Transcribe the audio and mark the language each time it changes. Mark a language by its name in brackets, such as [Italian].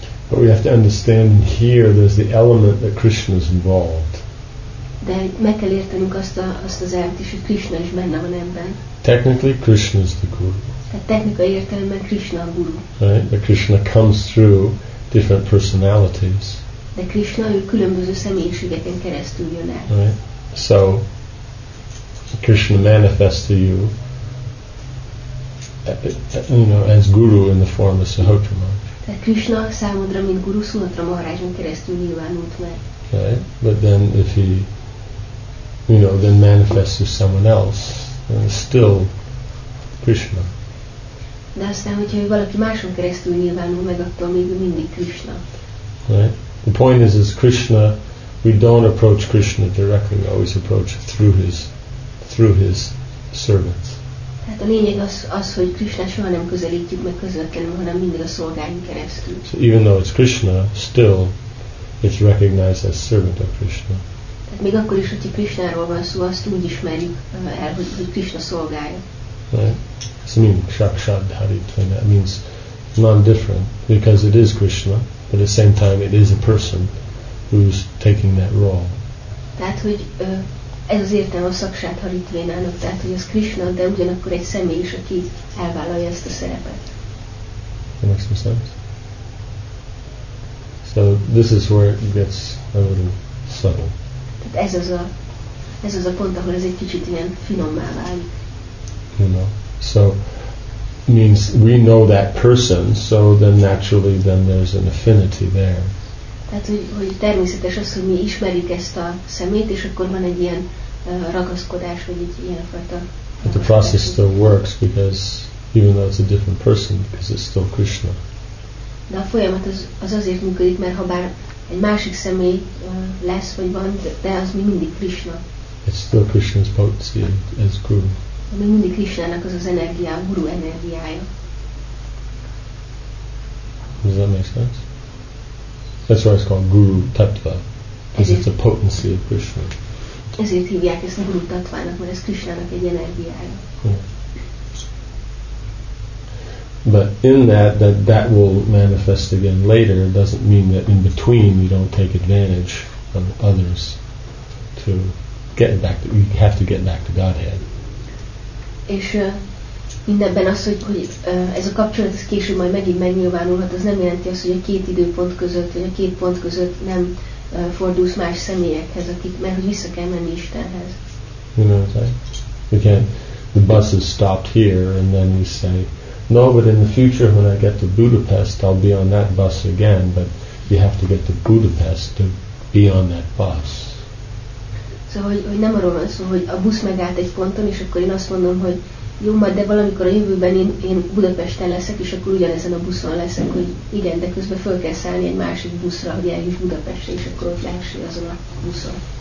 [English] But we have to understand here there's the element that Krishna is involved. [Hungarian] De meg kell értenünk azt az elvet is, hogy Krishna is benne van ebben. [English] Technically, Krishna is the guru. [Hungarian] Tehát technikai értelemben Krishna a guru. [English] Right? But Krishna comes through different personalities. [Hungarian] De Krishna ő különböző személyiségeken keresztül jön el. [English] Right? So, Krishna manifests to you, you know, as guru in the form of Sahotra Maharaj. [Hungarian] Tehát Krishna számodra, mint guru, Sahotra Maharajon keresztül nyilvánult meg. [English] Right? But then if he, you know, then manifests to someone else, then it's still Krishna. [Hungarian] De aztán, hogyha valaki máson keresztül nyilvánul meg, attól még mindig Krishna. [English] Right? The point is Krishna, we don't approach Krishna directly, we always approach through his servants. [Hungarian] Tehát a lényeg az, hogy Krishna soha nem közelítjük meg közvetlenül, hanem mindig a szolgáink keresztül. [English] So even though it's Krishna, still it's recognized as servant of Krishna. [Hungarian] Tehát még akkor is, hogyha Krishnáról van szó, azt úgy ismerjük el, hogy Krishna szolgálja. [English] Right. So, I mean, Shakshad Haritvana, it means non-different, because it is Krishna, but at the same time it is a person who's taking that role. [Hungarian] Tehát, hogy ez az értelme a Shakshad Haritvénának, tehát, hogy az Krishna, de ugyanakkor egy személy is, aki elvállalja ezt a szerepet. [English] That makes some sense. So, this is where it gets a little subtle. [Hungarian] Tehát ez az a pont, ahol ez egy kicsit ilyen finommá válik. [English] You know, so means we know that person, so then naturally then there's an affinity there. [Hungarian] Tehát, hogy természetes az, hogy mi ismerjük ezt a szemét, és akkor van egy ilyen ragaszkodás, vagy egy ilyenfajta. [English] But the process still works, because even though it's a different person, because it's still Krishna. [Hungarian] De a folyamat az azért működik, mert ha bár egy másik személy lesz, vagy van, de az még mindig Krishna. [English] It's still Krishna's potency as guru. [Hungarian] Ami mindig Krishnának az az energia, a guru energiája. [English] Does that make sense? That's why it's called guru tattva, because it's a potency of Krishna. [Hungarian] Ezért hívják ezt a guru tattvának, mert ez Krishnának egy energiája. [English] But in that will manifest again later, doesn't mean that in between you don't take advantage of others to get back to, you have to get back to Godhead. [Hungarian] És mindebben az, hogy ez a kapcsolat ez később majd megint megnyilvánulhat, az nem jelenti azt, hogy a két időpont között, vagy a két pont között nem fordulsz más személyekhez, akik, mert hogy vissza kell menni Istenhez. [English] You know what I'm saying? Again, the bus is stopped here, and then you say, no, but in the future when I get to Budapest, I'll be on that bus again, but you have to get to Budapest to be on that bus. [Hungarian] Szóval, hogy nem arról van szó, hogy a busz megállt egy ponton, és akkor én azt mondom, hogy jó, majd, de valamikor a jövőben én Budapesten leszek, és akkor ugyanezen a buszon leszek, hogy igen, de közben föl kell szállni egy másik buszra, hogy eljuss Budapestre, és akkor ott lássai azon a buszon.